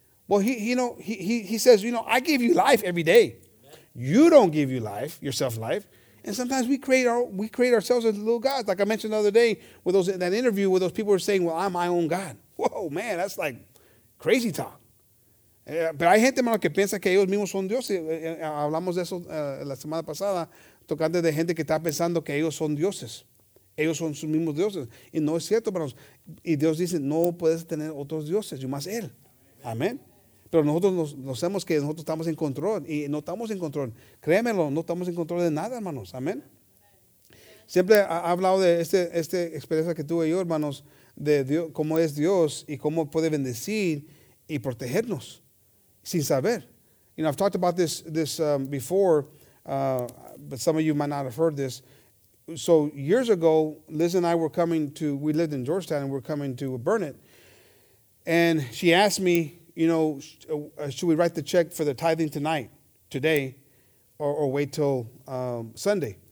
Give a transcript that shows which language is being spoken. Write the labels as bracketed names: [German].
[English] Well, he says, "I give you life every day. You don't give you life, yourself life." And sometimes we create ourselves as little gods. Like I mentioned the other day with that interview where those people were saying, "Well, I'm my own God." Whoa, man, that's like crazy talk. [Spanish] Pero hay gente, hermano, que piensa que ellos mismos son dioses. Hablamos de eso la semana pasada, tocando de gente que está pensando que ellos son dioses. Ellos son sus mismos dioses. Y no es cierto, hermanos. Y Dios dice, no puedes tener otros dioses, yo más Él. Amén. Pero nosotros nos vemos que nosotros estamos en control. Y no estamos en control. Créemelo, no estamos en control de nada, hermanos. Amén. Siempre ha hablado de esta experiencia que tuve yo, hermanos, de Dios, cómo es Dios y cómo puede bendecir y protegernos sin saber. [English] I've talked about this before, but some of you might not have heard this. So years ago, Liz and I were coming to, we lived in Georgetown, and we're coming to Burnet. And she asked me, should we write the check for the tithing tonight, today, or wait till Sunday?